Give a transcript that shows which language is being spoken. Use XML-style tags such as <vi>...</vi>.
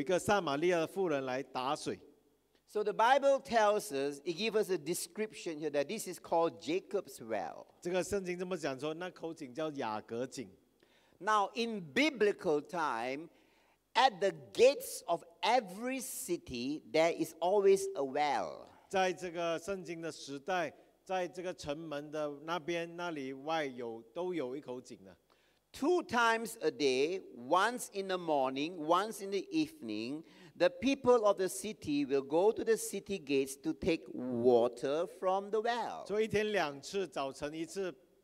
<zh>第六节，在那里有雅各井，耶稣因走路困乏，就坐在井边。那时约有午正，有一个撒玛利亚的妇人来打水。So</zh> <en>the Bible tells us, it gives us a description here that this is called Jacob's well.</en> <zh>这个圣经这么讲说，那口井叫雅各井。</zh> <en>Now, in biblical time, at the gates of every city, there is always a well.</en> <zh>在这个圣经的时代，在这个城门的那边，那里外有都有一口井的。</zh> <en>Two times a day, once in the morning, once in the evening, the people of the city will go to the city gates to take water from the well.</en> <zh>所以一天两次，早晨一次。</zh>